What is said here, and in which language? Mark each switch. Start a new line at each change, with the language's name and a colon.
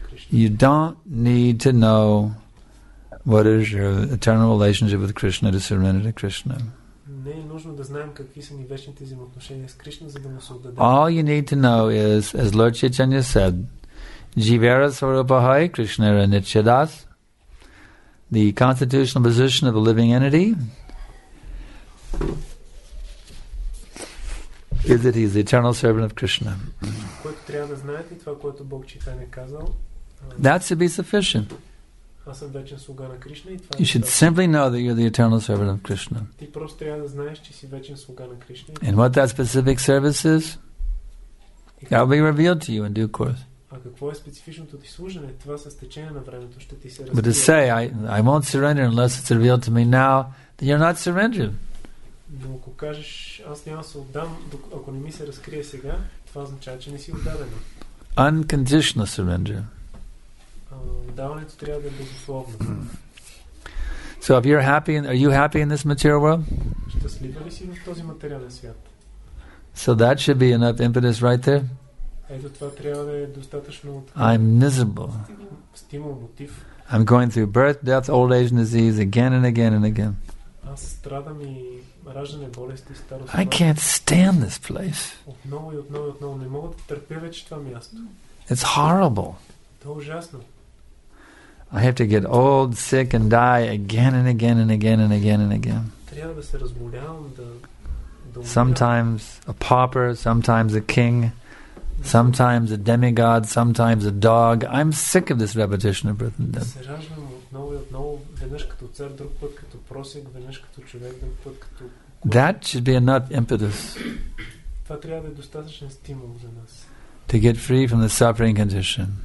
English: You don't need to know what is your eternal relationship with Krishna to surrender to Krishna.
Bulgarian: Не е нужно да знаем какви са ни вечните взаимоотношения с Кришна, за да му се отдадем.
English: All you need to know is, as Lord Chaitanya said,
Sanskrit: Jivara Sarupahai Krishna Ranichadas,
English: the constitutional position of a living entity, is that he is the eternal servant of Krishna.
Bulgarian: Което трябва да знаете, това, което Бог Чайтанья казал,
English: that should be sufficient.
Bulgarian: Аз съм вечен слуга на Кришна и това.
English: You should simply know that you're the eternal servant of Krishna.
Bulgarian: Ти просто трябва да знаеш, че си вечен слуга на Кришна.
English: And what that specific service is, that will be revealed to you in due course.
Bulgarian: А какво е специфичното ти служене? Това с течение на времето ще ти се разбере.
English: But to say I won't surrender unless it's revealed to me now, then you're not surrendered.
Bulgarian: Но ако кажеш, аз няма се отдам, ако не ми се разкрие сега, това означава, че не си отдаден.
English: Unconditional surrender.
Bulgarian: Даването трябва да е безусловно.
English: So if you're happy, are you happy in this material world?
Bulgarian: Щастлива ли си в този материален свят?
English: So that should be enough impetus right there.
Bulgarian: Ето това трябва да е достатъчно.
English: I'm miserable.
Bulgarian: Стимул, мотив.
English: I'm going through birth, death, old age, and disease again and again and again.
Bulgarian: Аз страдам и раждане болести, старост.
English: I can't stand this place.
Bulgarian: Отново и отново и отново не мога да търпя вече това място.
English: It's horrible.
Bulgarian: То е ужасно.
English: I have to get old, sick and die again and again and again and again and again.
Bulgarian: Трябва да се разболявам, да
English: Sometimes a pauper, sometimes a king, sometimes a demigod, sometimes a dog. I'm sick of this repetition of birth and death.
Bulgarian: Се раждам отново и отново, веднъж като цар, друг път като просек, веднъж като човек, друг път като
English: That should be enough impetus.
Bulgarian: Това трябва да е достатъчен стимул за нас.
English: To get free from the suffering condition.